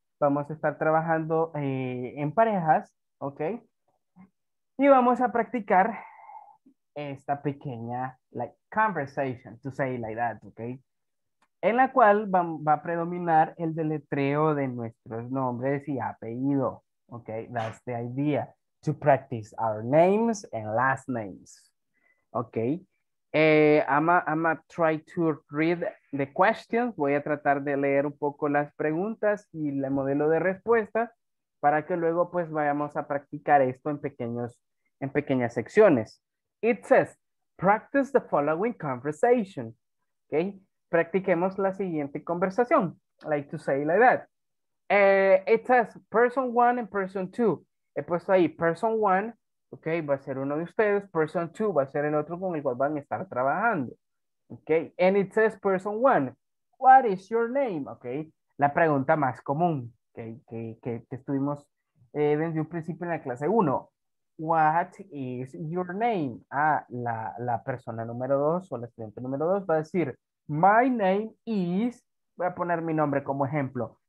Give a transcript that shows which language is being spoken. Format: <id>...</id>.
<es>Vamos a estar trabajando en parejas, ok. Y vamos a practicar esta pequeña</es> <en>like conversation, to say like that,</en> <es>ok. En la cual va a predominar el deletreo de nuestros nombres y apellido.</es> <en>Okay, that's the idea, to practice our names and last names. Okay, I'm a try to read the questions.</en> <es>Voy a tratar de leer un poco las preguntas y el modelo de respuesta para que luego pues vayamos a practicar esto en pequeñas secciones.</es> <en>It says, practice the following conversation.</en> <es>Okay, practiquemos la siguiente conversación.</es> <en>I like to say like that. It says person one and person two.</en> <es>He puesto ahí person one, ok, va a ser uno de ustedes. Person two va a ser el otro con el cual van a estar trabajando.</es> <en>Ok, and it says person one, what is your name?</en> <es>Ok, la pregunta más común que estuvimos desde un principio en la clase 1.</es> <en>What is your name?</en> <es>Ah, la persona número 2 o el estudiante número 2 va a decir,</es> <en>my name is,</en> <es>voy a poner mi nombre como ejemplo.</es>